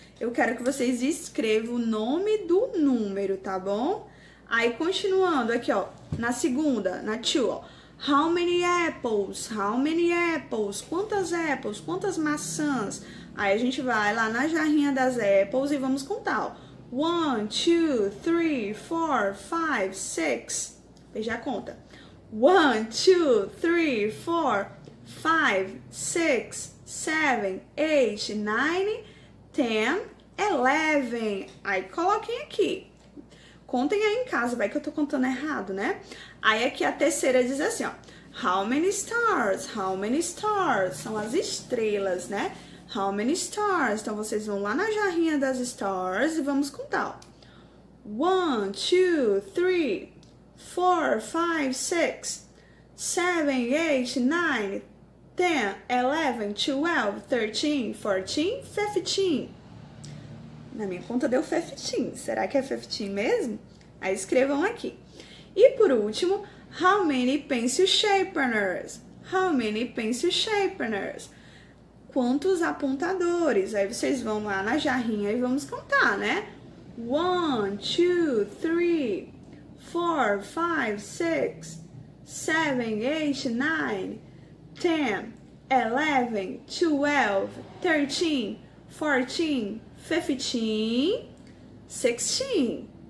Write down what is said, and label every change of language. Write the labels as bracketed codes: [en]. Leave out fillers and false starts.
[pt] Eu quero que vocês escrevam o nome do número, tá bom? Aí, continuando aqui, ó, na segunda, na two, ó. [en] How many apples? How many apples? [pt] Quantas apples? Quantas maçãs? Aí a gente vai lá na jarrinha das apples e vamos contar, ó. [en] One, two, three, four, five, six. [pt] Veja a conta. [en] One, two, three, four, five, six, seven, eight, nine, ten, 11. [pt] Aí coloquem aqui. Contem aí em casa, vai que eu tô contando errado, né? Aí aqui a terceira diz assim, ó. [en] How many stars? How many stars? [pt] São as estrelas, né? [en] How many stars? [pt] Então vocês vão lá na jarrinha das stars e vamos contar, ó. [en] One, two, three. 4, 5, 6, 7, 8, 9, 10, 11, 12, 13, 14, 15. [pt] Na minha conta deu 15. Será que é 15 mesmo? Aí escrevam aqui. E por último, [en] how many pencil sharpeners? How many pencil sharpeners? [pt] Quantos apontadores? Aí vocês vão lá na jarrinha e vamos contar, né? 1, 2, 3. 4, 5, 6, 7, 8, 9, 10, 11, 12, 13, 14, 15, 16.